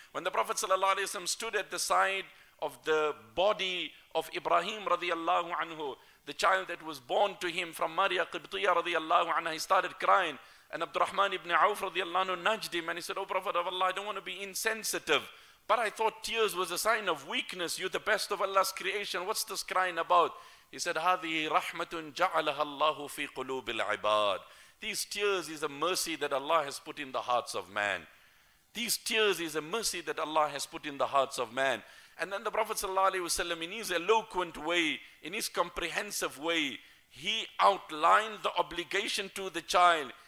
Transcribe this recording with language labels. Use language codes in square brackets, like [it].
[en] When the Prophet sallallahu alayhi wa sallam stood at the side of the body of Ibrahim radiallahu anhu, the child that was born to him from Maria Qibtiyah radiallahu anha, he started crying. And Abdurrahman ibn Auf radiallahu anhu nudged him and he said, oh Prophet of Allah, I don't want to be insensitive, but I thought tears was a sign of weakness. You're the best of Allah's creation. What's this crying about? He said, [ar] هَذِهِ رَحْمَةٌ جَعَلَهَا اللَّهُ فِي قُلُوبِ الْعِبَادِ. [en] These tears is a mercy that Allah has put in the hearts of man. These tears is a mercy that Allah has put in the hearts of man. And then the Prophet ﷺ, in his eloquent way, in his comprehensive way, he outlined the obligation to the child.